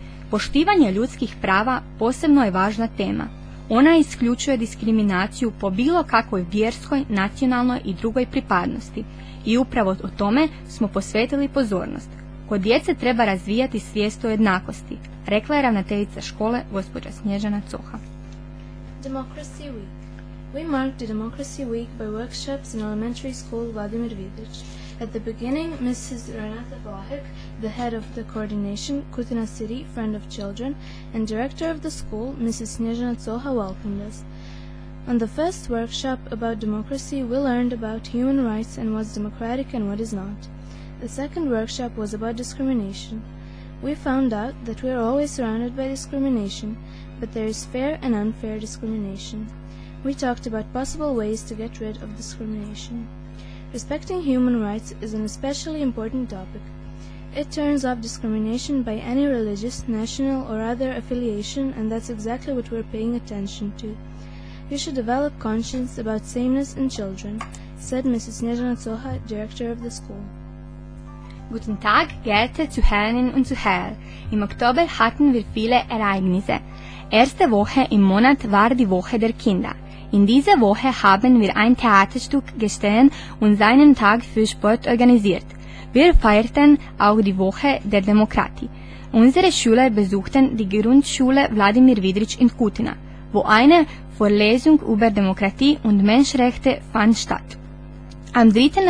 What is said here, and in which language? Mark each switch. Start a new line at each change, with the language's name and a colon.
Croatian: Poštivanje ljudskih prava posebno je važna tema. Ona isključuje diskriminaciju po bilo kakvoj vjerskoj, nacionalnoj i drugoj pripadnosti. I upravo o tome smo posvetili pozornost. Kod djece treba razvijati svijest o jednakosti, rekla je ravnateljica škole gospođa Snježana Coha.
English: Democracy Week. We marked the Democracy Week by workshops in elementary school Vladimir Vidić. At the beginning, Mrs. Renata Vlahek, the head of the coordination, Kutina City, friend of children, and director of the school, Mrs. Snježana Coha, welcomed us. On the first workshop about democracy, we learned about human rights and what's democratic and what is not. The second workshop was about discrimination. We found out that we are always surrounded by discrimination, but there is fair and unfair discrimination. We talked about possible ways to get rid of discrimination. Respecting human rights is an especially important topic. It turns off discrimination by any religious, national, or other affiliation, and that's exactly what we're paying attention to. You should develop conscience about sameness in children, said Mrs. Snježana Coha, director of the school.
German: Guten Tag, geehrte Zuhörerinnen und Zuhörer. Im Oktober hatten wir viele Ereignisse. Erste Woche im Monat war die Woche der Kinder. In dieser Woche haben wir ein Theaterstück gestellt und seinen Tag für Sport organisiert. Wir feierten auch die Woche der Demokratie. Unsere Schüler besuchten die Grundschule Wladimir Vidić in Kutina, wo eine Vorlesung über Demokratie und Menschenrechte fand statt. Am 3.